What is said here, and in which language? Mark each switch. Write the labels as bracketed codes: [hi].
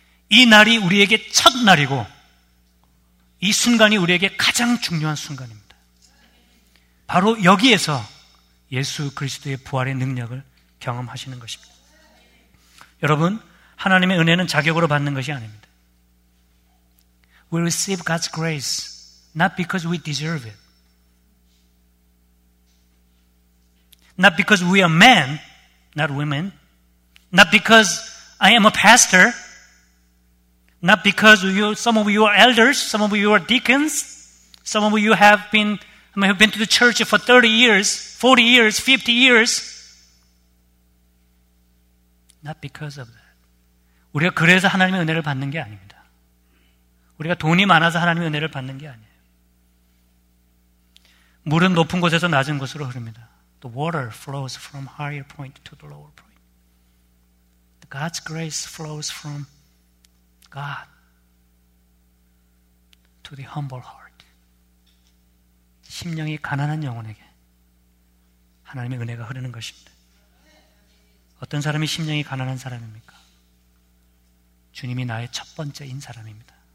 [ko] 이 날이 우리에게 첫 날이고 이 순간이 우리에게 가장 중요한 순간입니다. 바로 여기에서 예수 그리스도의 부활의 능력을 경험하시는 것입니다. 여러분, 하나님의 은혜는 자격으로 받는 것이 아닙니다. [en] We receive God's grace not because we deserve it. Not because we are men, not women. Not because I am a pastor. Not because you, some of you are elders, some of you are deacons, some of you have been to the church for 30 years, 40 years, 50 years. Not because of that. [ko] 우리가 그래서 하나님의 은혜를 받는 게 아닙니다. 우리가 돈이 많아서 하나님의 은혜를 받는 게 아니에요. 물은 높은 곳에서 낮은 곳으로 흐릅니다. [en] The water flows from higher point to the lower point. God's grace flows from God to the humble heart. [ko] 심령이 가난한 영혼에게 하나님의 은혜가 흐르는 것입니다. 어떤 사람이 심령이 가난한 사람입니까? 주님이 나의 첫 번째인 사람입니다.